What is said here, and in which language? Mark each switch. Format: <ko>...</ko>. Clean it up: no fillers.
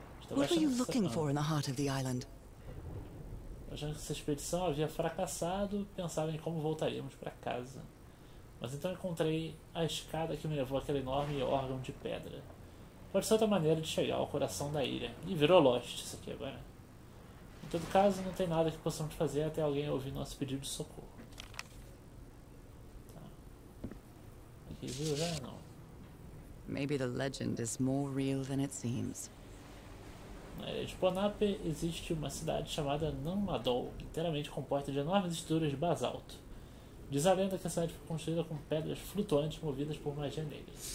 <en>What were you looking for in the heart of the island?</en> <pt>Achando que essa expedição havia fracassado, pensava em como voltaríamos para casa. Mas então encontrei a escada que me levou àquele enorme órgão de pedra. Pode ser outra maneira de chegar ao coração da ilha. E virou Lost isso aqui agora. Em todo caso, não tem nada que possamos fazer até alguém ouvir nosso pedido de socorro. Tá. Aqui viu já ou não?</pt> <en>Maybe the legend is more real than it seems.</en> <pt>Na ilha de Ponape existe uma cidade chamada Nanmadol, inteiramente composta de enormes estruturas de basalto. Diz a lenda que a cidade foi construída com pedras flutuantes movidas por magia negra.</pt>